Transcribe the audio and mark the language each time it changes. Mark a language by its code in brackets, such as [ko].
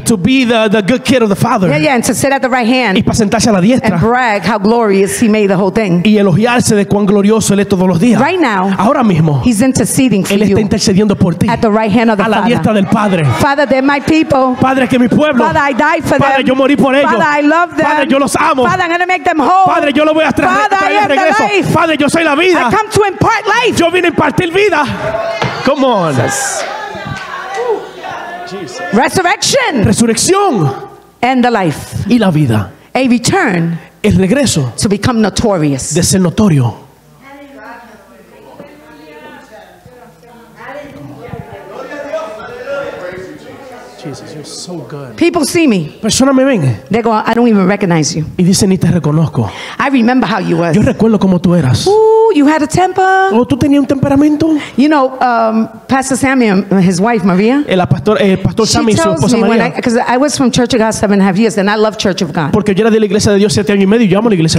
[en] To be the good kid of the father. Yeah, yeah, and to sit at the right hand. [es] Y para sentarse a la diestra. [en] And brag how glorious he made the whole thing. [es] Y elogiarse de cuán glorioso él es todos los días. [en] Right now. [es] Ahora mismo. [en] He's interceding for [es] él está [en] you. [es] Intercediendo por ti. [en] At the right hand of the [es] a la diestra [en] father. [es] Del padre. [en] Father, they're my people. [es] Padre, que mi pueblo. [en] Father, I die for [es] padre, [en] them. [es] Padre, yo morí por ellos. [en] Father, I love them. [es] Padre, yo los amo. [en] Father, I'm going to make them whole. [es] Padre, yo lo voy a [en] Father, I am the life. [es] Padre, yo soy la vida. [en] I come to impart life. [es] Yo vine a impartir vida. [en] Come on. Jesus. Resurrection. [es] Resurrección. [en] And the life. [es] Y la vida. [en] A return. [es] El regreso. [en] To become notorious. [es] De ser notorio. [en] Jesus, you're so good. People see me. [es] Personas me ven. [en] They go, I don't even recognize you. [es] Y dicen, ni te reconozco. [en] I remember how you were. [es] Yo recuerdo cómo tú eras. [en] Ooh, you had a temper. [es] Oh, tú tenías un temperamento. [en] You know, Pastor Sammy and his wife Maria. [es] El pastor [en] she [es] Sammy, [en] tells [es] su esposa [en] me [es] María. [en] When I, because I was from Church of God 7.5 years, and I love Church of God. [es] Porque yo era de la Iglesia de Dios 7 años y medio, y yo amo la Iglesia